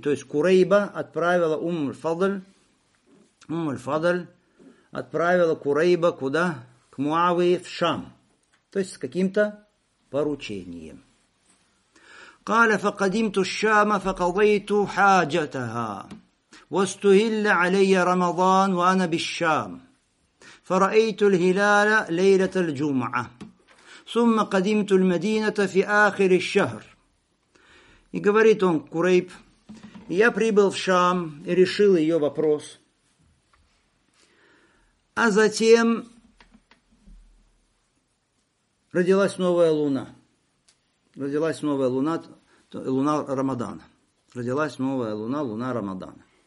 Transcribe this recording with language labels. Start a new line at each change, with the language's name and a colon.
Russian: То есть Курейба отправила умма аль-Фадли отправила Курейба куда? К Муави в Шам. То есть с каким-то поручением.
Arabic: Каля фа кадимту ш-Шама фа кадайту хаджатаха. واستهل علي رمضان وأنا بالشام فرأيت الهلال ليلة الجمعة ثم قدمت المدينة في آخر الشهر.
Russian: И говорит он Курейб, я прибыл в Шам и решил ее вопрос, а затем родилась новая луна, луна Рамадана, луна Рамадана.